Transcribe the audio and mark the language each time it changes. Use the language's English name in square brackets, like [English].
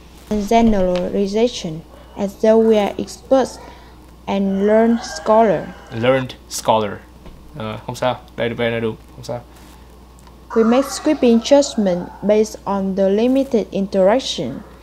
[English] Generalization, as though we are experts and learned scholar. Learned scholar. [Vietnamese] Không sao, đây được, đây là đúng, không sao. [English] We make sweeping judgment based on the limited interaction.